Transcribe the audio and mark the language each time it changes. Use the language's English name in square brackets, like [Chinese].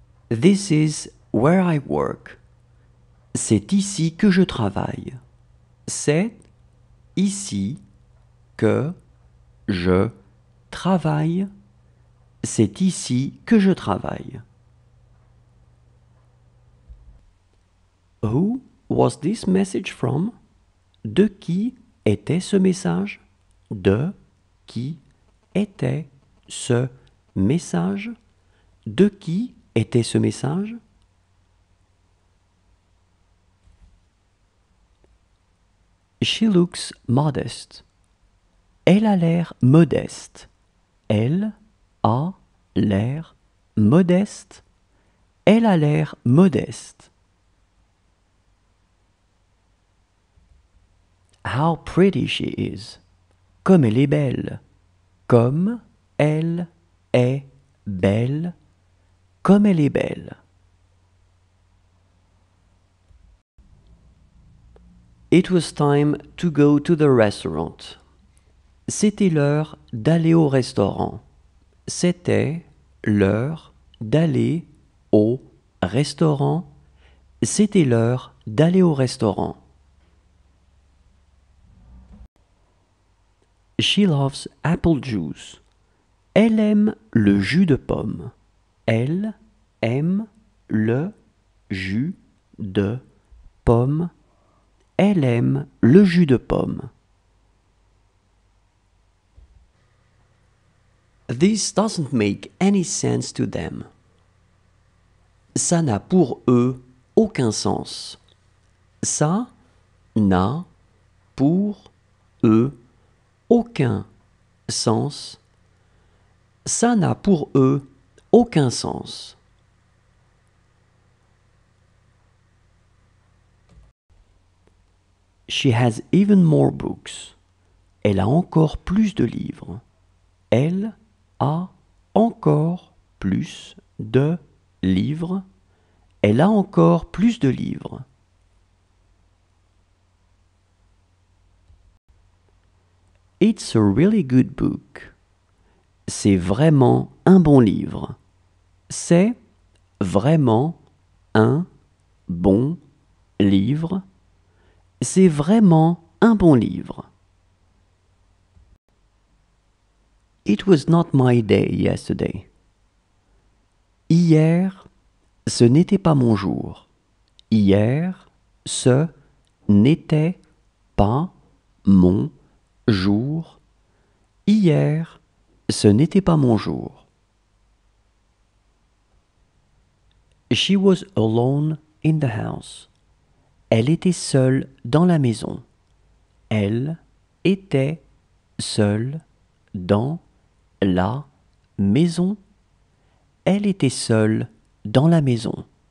[English] This is where I work. [French] C'est ici que je travaille. C'est ici que je travaille. C'est ici que je travaille. [English] Who was this message from? [French] De qui était ce message? De qui était ce message? De qui était ce message? [English] She looks modest. [French] Elle a l'air modeste. Elle a l'air modeste. Elle a l'air modeste. [English] How pretty she is. [French] Comme elle est belle. Comme elle est belle. Comme elle est belle. [English] It was time to go to the restaurant. [French] C'était l'heure d'aller au restaurant. C'était l'heure d'aller au restaurant. C'était l'heure d'aller au restaurant. [English] She loves apple juice. [French] Elle aime le jus de pomme. Elle aime le jus de pomme. Elle aime le jus de pomme. [English] This doesn't make any sense to them. [French] Ça n'a pour eux aucun sens. Ça n'a pour eux aucun sens. Ça n'a pour eux aucun sens. [English] She has even more books. [French] Elle a encore plus de livres. Elle a encore plus de livres. Elle a encore plus de livres. [English] It's a really good book. [French] C'est vraiment un bon livre. C'est vraiment un bon livre. C'est vraiment un bon livre. [English] It was not my day yesterday. [French] Hier, ce n'était pas mon jour. Hier, ce n'était pas mon jour. Hier, ce n'était pas mon jour. [English] She was alone in the house. [French] Elle était seule dans la maison. Elle était seule dans la maison. Elle était seule dans la maison.